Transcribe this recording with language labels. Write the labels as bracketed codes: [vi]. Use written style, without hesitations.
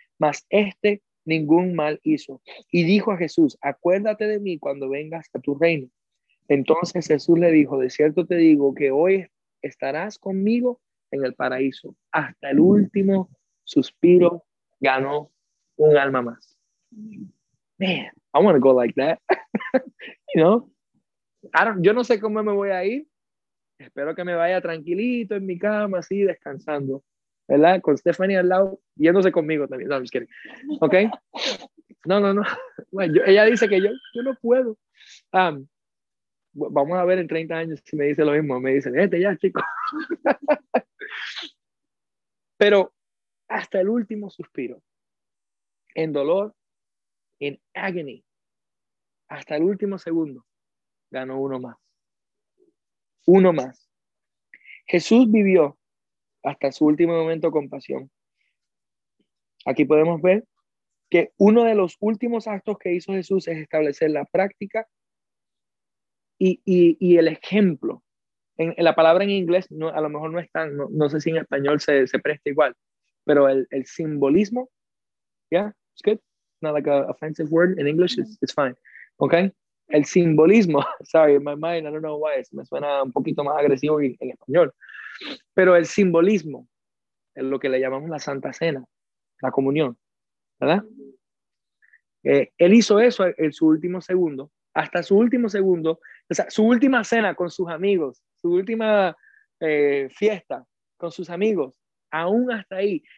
[es] Mas este ningún mal hizo. Y dijo a Jesús, acuérdate de mí cuando vengas a tu reino. Entonces Jesús le dijo, de cierto te digo que hoy estarás conmigo en el paraíso hasta el último suspiro, ganó un alma más. [en] Man, I want to go like that. You know? [es] Yo no sé cómo me voy a ir. Espero que me vaya tranquilito en mi cama, así, descansando. ¿Verdad? Con Stephanie al lado, yéndose conmigo también. [en] No, I'm just kidding. [es] ¿Ok? No. Bueno, ella dice que yo no puedo. Vamos a ver en 30 años si me dice lo mismo. Me dice, vete ya, chico. Pero, hasta el último suspiro, en dolor, en agony, hasta el último segundo, ganó uno más. Uno más. Jesús vivió hasta su último momento con pasión. Aquí podemos ver que uno de los últimos actos que hizo Jesús es establecer la práctica y el ejemplo. En la palabra en inglés, no, a lo mejor no es tan, no sé si en español se presta igual. Pero el simbolismo, [en] yeah, it's good. Not like an offensive word in English, it's fine. Okay? [es] el simbolismo, [en] sorry, in my mind, I don't know why, [es] me suena un poquito más agresivo en español, pero el simbolismo es lo que le llamamos la Santa Cena, la comunión, ¿verdad? Él hizo eso en su último segundo, hasta su último segundo, o sea, su última cena con sus amigos, su última fiesta con sus amigos, aún hasta ahí.